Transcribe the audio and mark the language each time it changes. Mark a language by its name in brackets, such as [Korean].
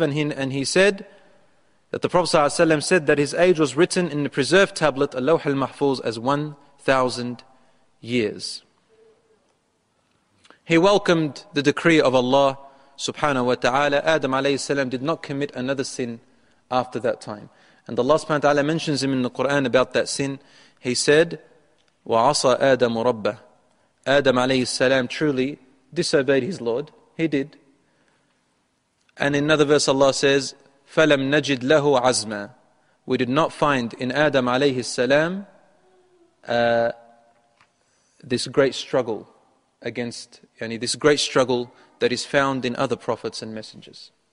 [English] And he said that the Prophet sallallahu alayhi wasallam said that his age was written in the preserved tablet, al-Lawh al-Mahfuz, as 1,000 years. He welcomed the decree of Allah subhanahu wa ta'ala. Adam alayhi salam did not commit another sin after that time. And Allah subhanahu wa ta'ala mentions him in the Quran about that sin. He said, [Arabic] وَعَصَى آدَمُ رَبَّهُ. [English] Adam alayhi salam truly disobeyed his Lord. He did. And in another verse Allah says, [Arabic] فَلَمْ نَجِدْ لَهُ عَزْمًا. [English] We did not find in Adam alayhi salam this great struggle against, yani this great struggle that is found in other prophets and messengers.